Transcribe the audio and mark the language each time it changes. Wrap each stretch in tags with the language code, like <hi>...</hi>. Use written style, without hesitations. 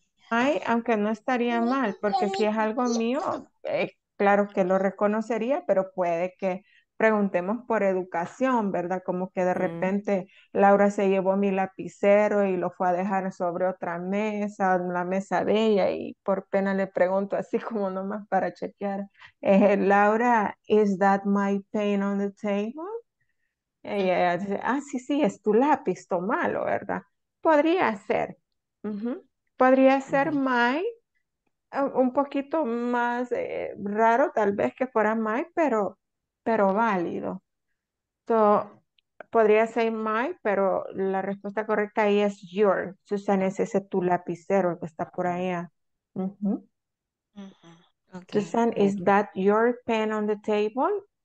<es>Ay, aunque no estaría mal, porque si es algo mío... Claro que lo reconocería, pero puede que preguntemos por educación, ¿verdad? Como que de repente Laura se llevó mi lapicero y lo fue a dejar sobre otra mesa, la mesa de ella, y por pena le pregunto así como nomás para chequear.</es> <en>Laura, is that my pen on the table?</en> <es>Y ella dice, ah, sí, sí, es tu lápiz, tómalo, ¿verdad? Podría ser. Podría ser my. Un poquito más raro tal vez que fuera my, pero válido.</es> <en>So,</en> <es>podría ser my, pero la respuesta correcta ahí es your. Susan, ¿es ese tu lapicero que está por allá?</es> <en>Okay. Susan, okay. Is that your pen on the table?</en>